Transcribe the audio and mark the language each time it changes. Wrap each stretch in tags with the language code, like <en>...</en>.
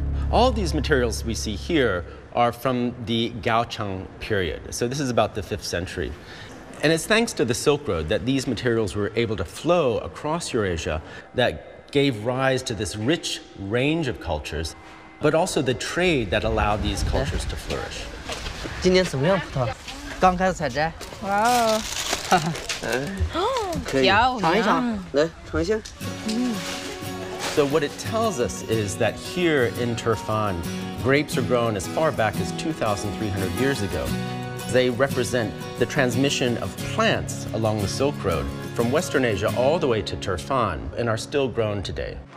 <en>All these materials we see here are from the Gaochang period. So this is about the 5th century. And it's thanks to the Silk Road that these materials were able to flow across Eurasia that gave rise to this rich range of cultures, but also the trade that allowed these cultures to flourish.</en> <zh>今天怎么样，葡萄？刚开始采摘。 Wow。可以。尝一尝。来，尝一下。</zh> <en>So what it tells us is that here in Turfan, grapes are grown as far back as 2,300 years ago. They represent the transmission of plants along the Silk Road from Western Asia all the way to Turfan and are still grown today.</en>